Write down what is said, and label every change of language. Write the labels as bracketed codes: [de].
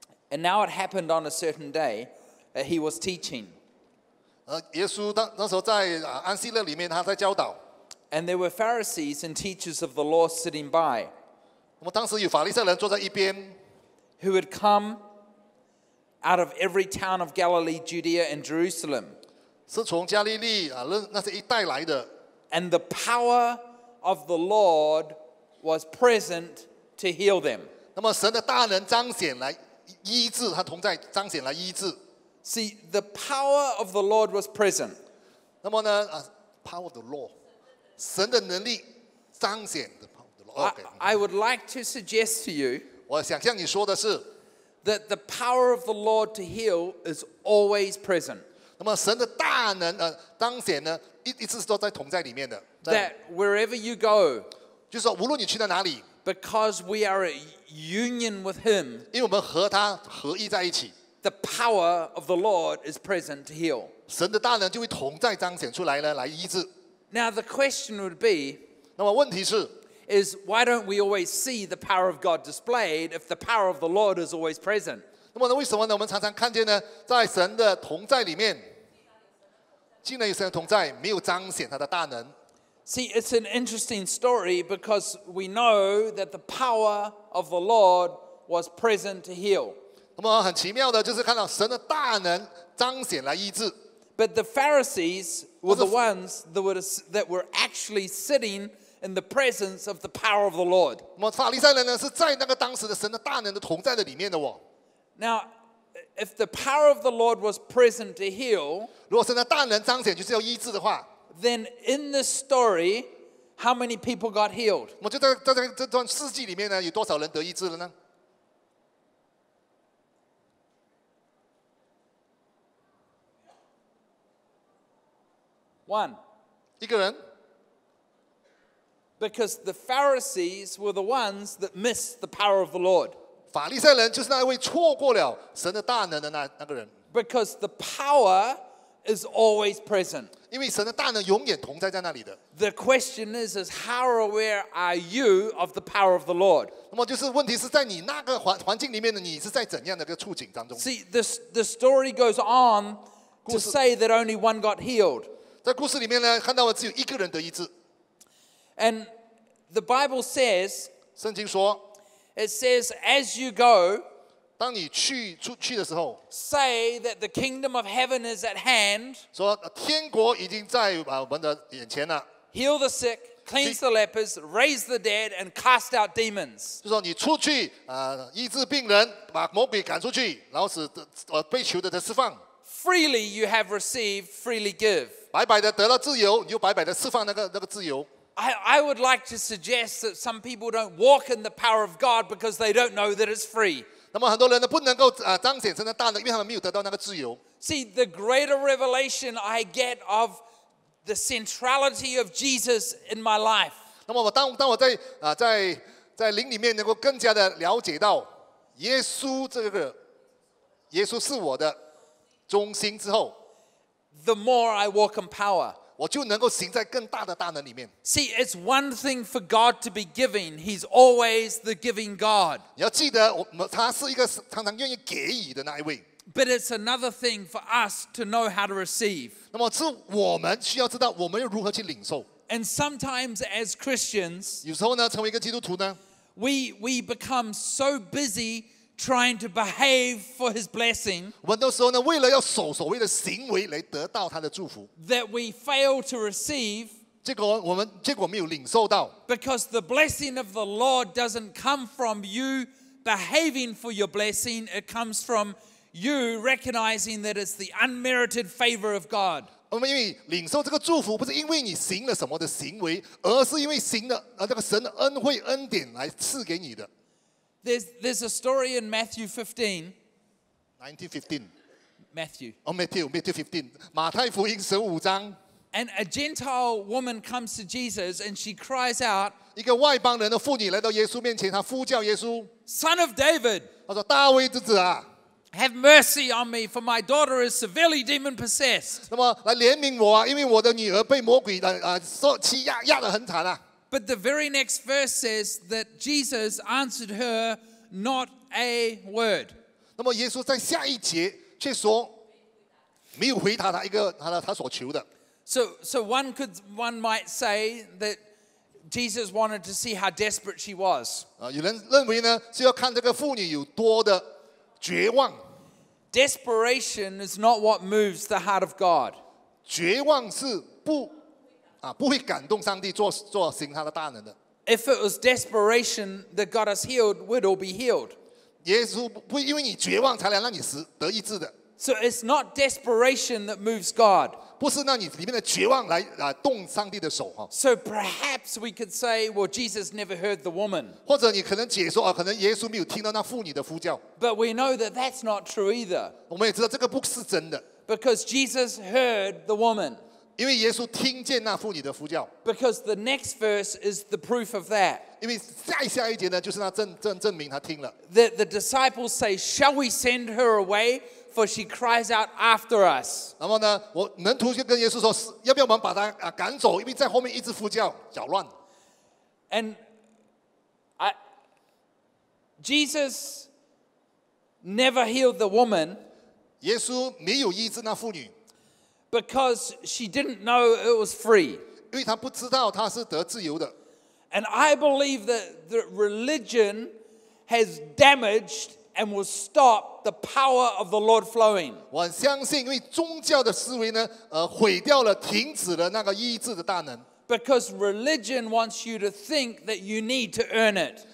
[en] And now it happened on a certain day. He was teaching. [zh] 耶稣那时候在安息日里面，他在教导。 [en] And there were Pharisees and teachers of the law sitting by. [zh] 那么当时有法利赛人坐在一边。 [en] Who had come out of every town of Galilee, Judea, and Jerusalem. [zh] 是从加利利啊，那是一带来的。 [en] And the power of the Lord was present to heal them. [zh] 那么神的大能彰显来医治，他同在彰显来医治。 [en] See, the power of the Lord was present. [zh] 那么呢 [en] power of the Lord. [zh] 神的能力彰显 [en] the power of the Lord. I would like to suggest to you, [zh] 我想向你说的是 [en] that the power of the Lord to heal is always present. [zh] 那么神的大能当前呢一直都在同在里面的。 [en] That wherever you go, [zh] 就是说无论你去到哪里 [en] because we are at union with Him, [zh] 因为我们和他合一在一起 [en] the power of the Lord is present to heal. [zh] 神的大能就会同在彰显出来呢来医治。 [en] Now the question would be, [zh] 那么问题是 [en] is why don't we always see the power of God displayed if the power of the Lord is always present? [zh] 那么为什么呢？我们常常看见呢，在神的同在里面，既然有神的同在，没有彰显他的大能。 [en] See, it's an interesting story because we know that the power of the Lord was present to heal. [zh] 那么很奇妙的就是看到神的大能彰显来医治。 [en] But the Pharisees were the ones that were actually sitting. In the presence of the power of the Lord. [zh] 那么法利赛人呢，是在那个当时的神的大能的同在的里面的哦。 [en] Now, if the power of the Lord was present to heal, [zh] 如果神的大能彰显就是要医治的话 [en] then in this story, how many people got healed? [zh] 那么就在这段事迹里面呢，有多少人得医治了呢？一个人。 [en] Because the Pharisees were the ones that missed the power of the Lord. [zh] 法利赛人就是那位错过了神的大能的那个人。 [en] Because the power is always present. [zh] 因为神的大能永远同在那里的。 [en] The question is how aware are you of the power of the Lord? [zh] 那么就是问题是在你那个环境里面的，你是在怎样的一个处境当中 [en] ？See the story goes on to say that only one got healed. [zh] 在故事里面呢，看到了只有一个人得医治。 [en] And the Bible says, [zh] 圣经说, [en] it says, as you go, [zh] 当你去的时候, [en] say that the kingdom of heaven is at hand, [zh] 说天国已经在我们的眼前了, [en] heal the sick, cleanse the lepers, raise the dead, and cast out demons. [zh] 就说你出去, 医治病人, 把魔鬼赶出去, 然后使, 被囚的得释放。 [en] Freely you have received, freely give. [zh] 白白的得了自由, 你就白白的释放那个自由。 [en] I would like to suggest that some people don't walk in the power of God because they don't know that it's free. [zh] 那么很多人呢不能够彰显神的大能，因为他们没有得到那个自由。 [en] See, the greater revelation I get of the centrality of Jesus in my life. [zh] 那么当我在灵里面能够更加的了解到耶稣是我的中心之后 [en] ，the more I walk in power. [zh] 我就能够行在更大的大能里面。 [en] See, it's one thing for God to be giving. He's always the giving God. [zh] 你要记得，他是一个常常愿意给予的那一位。 [en] But it's another thing for us to know how to receive. [zh] 那么是我们需要知道我们要如何去领受。 [en] And sometimes as Christians, [zh] 有时候呢，成为一个基督徒呢 [en] ，we become so busy trying to behave for His blessing. [zh] 很多时候呢，为了要守所谓的行为来得到他的祝福 [en] ，that we fail to receive. [zh] 结果没有领受到 [en] ，because the blessing of the Lord doesn't come from you behaving for your blessing. It comes from you recognizing that it's the unmerited favor of God. [zh] 我们因为领受这个祝福，不是因为你行了什么的行为，而是因为行了这个神的恩惠恩典来赐给你的。 [en] There's a story in Matthew 15. 1915. Matthew. Oh, Matthew 15. [zh] 马太福音十五章 [en] And a Gentile woman comes to Jesus and she cries out. [zh] 一个外邦人的妇女来到耶稣面前，她呼叫耶稣。 [en] Son of David. [zh] 她说：“大卫之子啊。” [en] Have mercy on me, for my daughter is severely demon possessed. [zh] 那么来怜悯我啊，因为我的女儿被魔鬼受欺压，压得很惨啊。 [en] But the very next verse says that Jesus answered her not a word. [zh] 那么耶稣在下一节却说，没有回答他一个他所求的。 [en] So one might say that Jesus wanted to see how desperate she was. [zh] 有人认为呢，是要看这个妇女有多的绝望。 [en] Desperation is not what moves the heart of God. [zh] 绝望是不。不会感动上帝做行他的大能的。 [en] If it was desperation that got us healed, we'd all be healed. [zh] 耶稣不因为你绝望才来让你得医治的。 [en] So it's not desperation that moves God. [zh] 不是那你里面的绝望来动上帝的手哈。 [en] So perhaps we could say, well, Jesus never heard the woman. [zh] 或者你可能解说啊，可能耶稣没有听到那妇女的呼叫。 [en] But we know that that's not true either. [zh] 我们也知道这个不是真的。 [en] Because Jesus heard the woman. [zh] 因为耶稣听见那妇女的呼叫。 [en] Because the next verse is the proof of that. [zh] 因为下一节呢，就是那证明他听了。 [en] That the disciples say, shall we send her away? For she cries out after us. [zh] 然后呢，我门徒就跟耶稣说，要不要我们把他赶走？因为在后面一直呼叫，搅乱。 [en] And Jesus never healed the woman. [zh] 耶稣没有医治那妇女 [en] ，because she didn't know it was free. [zh] 因为她不知道她是得自由的。 [en] And I believe that the religion has damaged. And will stop the power of the Lord flowing. [zh] 我相信，因为宗教的思维呢，毁掉了、停止了那个医治的大能。 [en] Because religion wants you to think that you need to earn it.